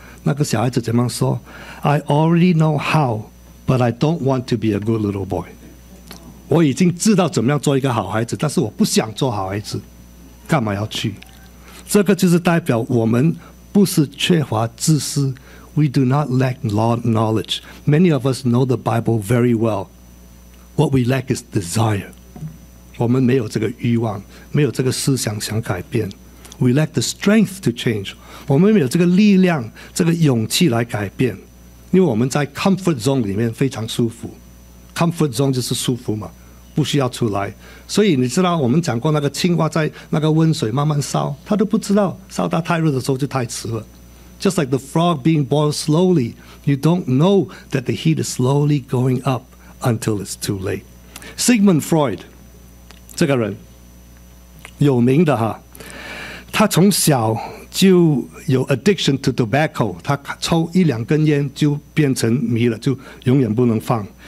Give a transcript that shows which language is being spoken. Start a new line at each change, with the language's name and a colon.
Chinese: 那个小孩子怎么说
English: I already know how but I don't want to be a good little boy，
Chinese: 我已经知道怎么样做一个好孩子，但是我不想做好孩子，干嘛要去？这个就是代表我们不是缺乏知识。
English: We do not lack knowledge. Many of us know the Bible very well. What we lack is desire.
Chinese: 我们没有这个欲望，没有这个思想想改变。
English: We lack the strength to change.
Chinese: 我们没有这个力量，这个勇气来改变。因为我们在 comfort zone 里面非常舒服。Comfort zone 就是舒服嘛，不需要出来。所以你知道我们讲过那个青蛙在那个温水慢慢烧，他都不知道烧到太热的时候就太迟了。
English: Just like the frog being boiled slowly, you don't know that the heat is slowly going up until it's too late.
Chinese: Sigmund Freud 这个人有名的哈，他从小就有
English: addiction to tobacco，
Chinese: 他抽一两根烟就变成迷了，就永远不能放。